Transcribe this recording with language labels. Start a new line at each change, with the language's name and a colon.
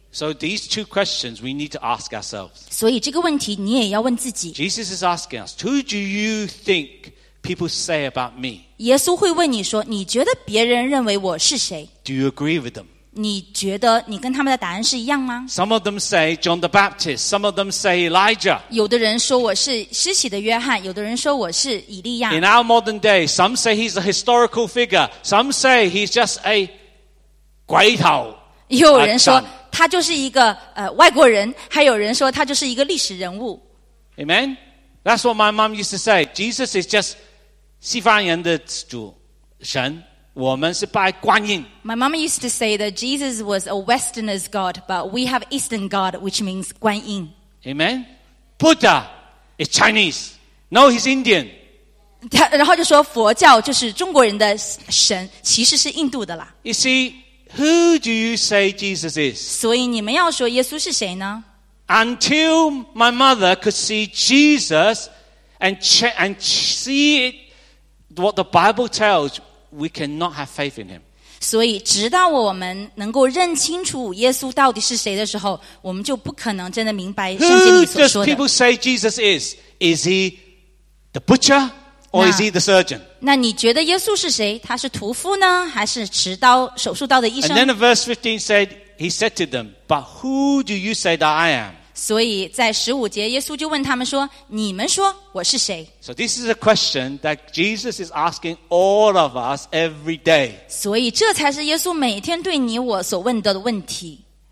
English: So these two questions we need to ask ourselves.
Chinese: 所以这个问题你也要问自己。
English: Jesus is asking us, "Who do you think people say about me?"
Chinese: 耶稣会问你说：“你觉得别人认为我是谁
English: ？”Do you agree with them?
Chinese: 你觉得你跟他们的答案是一样吗
English: ？Some of them say John the Baptist. Some of them say Elijah.
Chinese: 有的人说我是施洗的约翰，有的人说我是以利亚。
English: In our modern day, some say he's a historical figure. Some say he's just a
Chinese: 鬼头。有人说他就是一个外国人，还有人说他就是一个历史人物。
English: Amen. That's what my mom used to say. Jesus is just
Chinese: 西方人的主神。我们是拜观音。
English: My mom used to say that Jesus was a Westerner's God, but we have Eastern God, which means 观音。 Amen. Buddha is Chinese. No, he's Indian.
Chinese: 然后就说佛教就是中国人的神，其实是印度的啦。
English: You see, who do you say Jesus is?
Chinese: 所以你们要说耶稣是谁呢
English: ？Until my mother could see Jesus and see it, what the Bible tells. We cannot have faith in him.
Chinese: 所以直到我们能够认清楚耶稣到底是谁的时候，我们就不可能真的明白圣经里所说的。
English: Who does people say Jesus is? Is he the butcher or is he the surgeon?
Chinese: 那你觉得耶稣是谁？他是屠夫呢，还是持刀手术刀的医生
English: ？And then verse 15 said, he said to them, "But who do you say that I am?"
Chinese: 所以在十五节，耶稣就问他们说：“你们说我是谁？”
English: So this is a question that Jesus is asking all of us every day.
Chinese: 所以这才是耶稣每天对你我所问的问题。